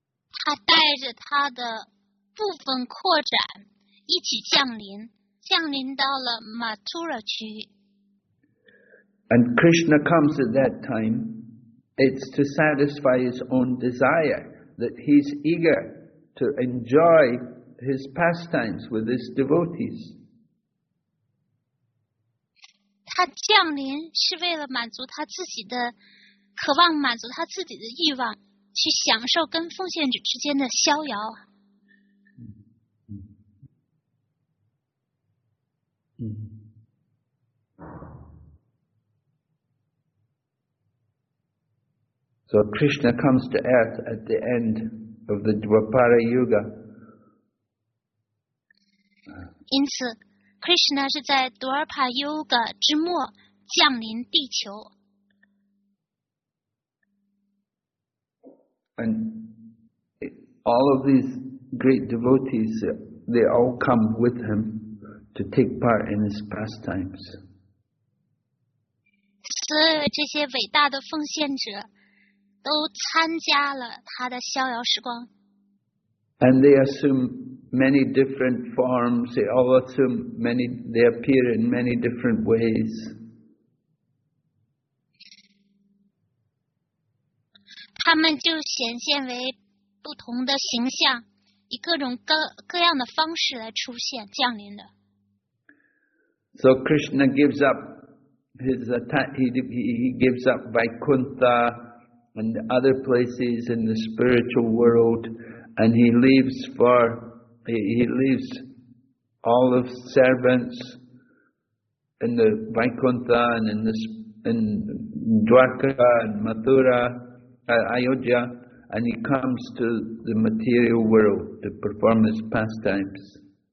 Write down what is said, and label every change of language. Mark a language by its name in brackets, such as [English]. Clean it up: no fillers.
[Chinese] 他带着他的部分扩展一起降临到了 Mathura 区域。 [English] And Krishna comes at that time, it's to satisfy his own desire, that he's eager to enjoy his pastimes with his devotees. [Chinese] 他降临是为了满足他自己的渴望，满足他自己的欲望，去享受跟奉献者之间的逍遥。 [English] So Krishna comes to earth at the end of the Dwapara Yuga. [Chinese] 因此 Krishna 是在 Dwapara Yuga 之末降临地球。 [English] And all of these great devotees, they all come with him to take part in his pastimes. [Chinese] 所有这些伟大的奉献者都参加了他的逍遥时光。 [English] And they assume many different forms, they all assume many, they appear in many different ways. [Chinese] 他们就显现为不同的形象，以各种各样的方式来出现降临的。 [English] So Krishna gives up his attack, he gives up Vaikuntha and other places in the spiritual world, and he leaves all of servants in the Vaikuntha and in Dwarka and Mathura, Ayodhya, and he comes to the material world to perform his pastimes.